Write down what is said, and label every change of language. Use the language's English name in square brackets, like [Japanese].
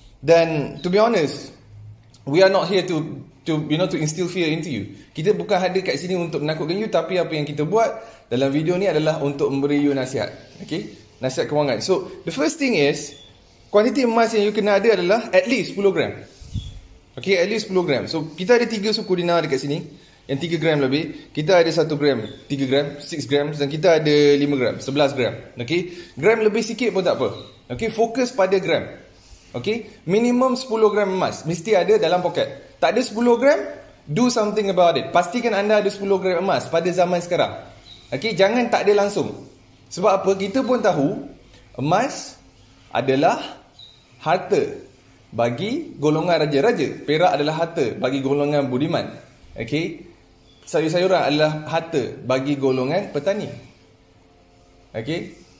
[English] Then, to be honest, we are not here to instill fear into you. [Malay] Kita bukan ada kat sini untuk menakutkan you, tapi apa yang kita buat dalam video ni adalah untuk memberi you nasihat. Okay? Nasihat kewangan. [English] So, the first thing is, [Malay] kuantiti emas yang you kena ada adalah [English] at least [Malay] 10 gram. Okay, at least 10 gram. So, kita ada 3 suku dinar dekat sini yang 3 gram lebih. Kita ada 1 gram, 3 gram, 6 gram dan kita ada 5 gram, 11 gram. Okay? Gram lebih sikit pun tak apa. Okay? Fokus pada gram. Okay? Minimum 10 gram emas mesti ada dalam poket. Tak ada 10 gram, [English] do something about it. [Malay] Pastikan anda ada 10 gram emas pada zaman sekarang. Okay, jangan tak ada langsung. Sebab apa? Kita pun tahu emas adalah harta bagi golongan raja-raja. Perak adalah harta bagi golongan budiman. Okay? Sayur-sayuran adalah harta bagi golongan petani. Okay?